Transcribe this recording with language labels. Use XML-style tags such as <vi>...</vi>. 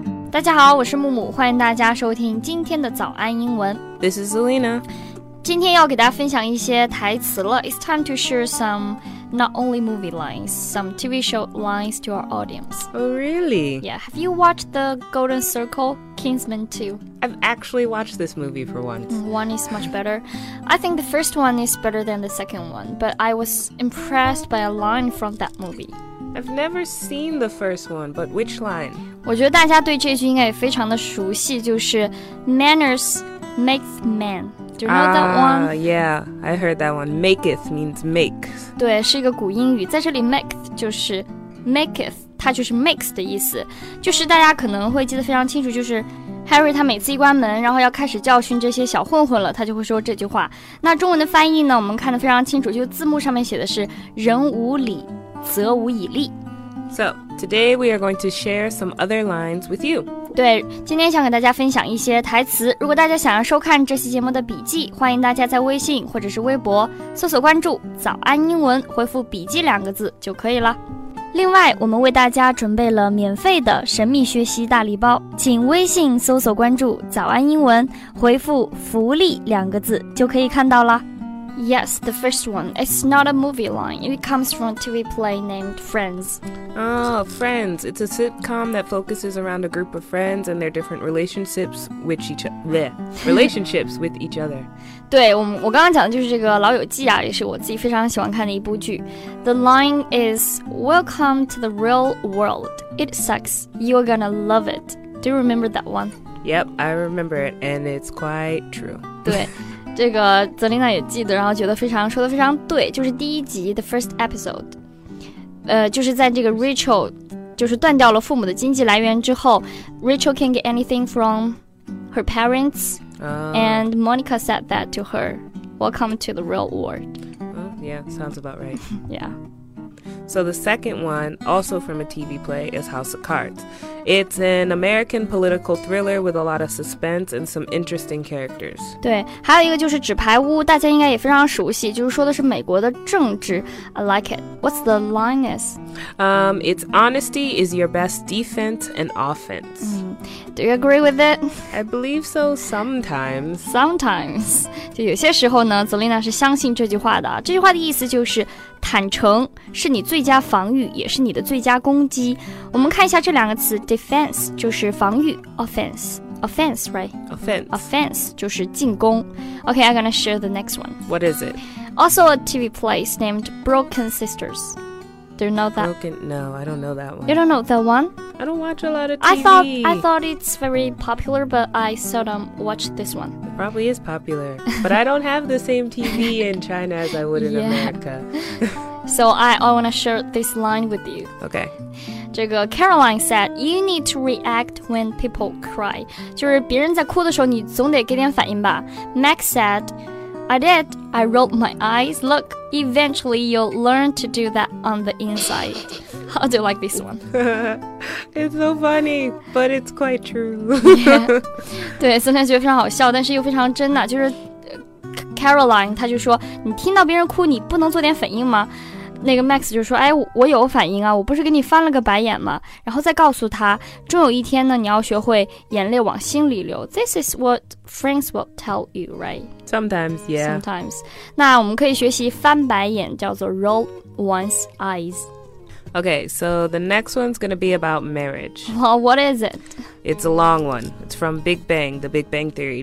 <zh>大家好，我是木木，欢迎大家收听今天的早安英文。</zh> <en>This is Selena.</en> <zh>今天要给大家分享一些台词了。</zh> <en>It's time to share some not only movie lines, some TV show lines to our audience. Oh, really? Yeah, have you watched The Golden Circle, Kingsman 2? I've actually watched this movie for once. One is much better. I think the first one is better than the second one, but I was impressed by a line from that movie. I've never seen the first one, but which line?</en> <zh>我觉得大家对这句应该也非常的熟悉，就是</zh> <en>Manners makes man. Do you know that one? Yeah, I heard that one. Maketh means make.</en> <zh>对，是一个古英语，在这里 maketh 就是 maketh， 它就是 makes 的意思。就是大家可能会记得非常清楚，就是 Harry 他每次一关门，然后要开始教训这些小混混了，他就会说这句话。那中文的翻译呢，我们看得非常清楚，就字幕上面写的是人无理。则无以立。</zh> <en>So, today we are going to share some other lines with you.</en> <zh>对，今天想给大家分享一些台词。如果大家想要收看这期节目的笔记，欢迎大家在微信或者是微博搜索关注早安英文，回复笔记两个字就可以了。另外，我们为大家准备了免费的神秘学习大礼包，请微信搜索关注早安英文，回复福利两个字就可以看到了。</zh> <en>Yes, the first one. It's not a movie line. It comes from a TV play named Friends. Oh, Friends. It's a sitcom that focuses around a group of friends and their different relationships with each other. Relationships with each other.</en> <zh>对，我刚刚讲的就是这个《老友记》啊，也是我自己非常喜欢看的一部剧。</zh> <en>The line is, Welcome to the real world. It sucks. You're gonna love it. Do you remember that one? Yep, I remember it, and it's quite true.</en> <zh>对。这个泽琳娜也记得，然后觉得非常说得非常对，就是第一集</zh> <en>The first episode，</en> <zh>就是在这个 Rachel 就是断掉了父母的经济来源之后，</zh> <en>Rachel can't get anything from her parents、and Monica said that to her, Welcome to the real world. Yeah, sounds about right. Yeah. So the second one, also from a TV play, is House of Cards. It's an American political thriller with a lot of suspense and some interesting characters.</en> <zh>对，还有一个就是纸牌屋，大家应该也非常熟悉，就是说的是美国的政治。</zh> <en>I like it. What's the line is? It's honesty is your best defense and offense. Do you agree with it? I believe so sometimes. Sometimes.</en> <zh>就有些时候呢，泽丽娜是相信这句话的。这句话的意思就是坦诚是你最佳防御，也是你的最佳攻击。我们看一下这两个词 ，defense 就是防御 ，offense，offense right？offense 就是进攻。</zh> <en>Okay, I'm gonna share the next one. What is it? Also a TV place named Broken Sisters. Do you know that? Broken? No, I don't know that one. You don't know that one? I don't watch a lot of TV. I thought it's very popular, but I seldom watch this one. Probably is popular, but I don't have the same TV in China as I would in America. So I want to share this line with you. Okay.</en> <zh>这个</zh> <en>Caroline said, you need to react when people cry.</en> <zh>就是别人在哭的时候你总得给点反应吧。</zh> <en>Max said, I did. I rolled my eyes. Look, eventually you'll learn to do that on the inside. How do you like this one? It's so funny, but it's quite true. Yeah.</en> <zh>对，虽然觉得非常好笑，但是又非常真呐。就是 Caroline， 她就说：“你听到别人哭，你不能做点反应吗？” 那个 Max 就说：“哎，我有反应啊，我不是给你翻了个白眼吗？” 然后再告诉他，终有一天呢，你要学会眼泪往心里流。</zh> <en>This is what friends will tell you, right? Sometimes, yeah. Sometimes.</en> <zh>那我们可以学习翻白眼，叫做</zh> <en>roll one's eyes. Okay, so the next one's gonna be about marriage. Well, what is it? It's a long one. It's from Big Bang, the Big Bang Theory.</en>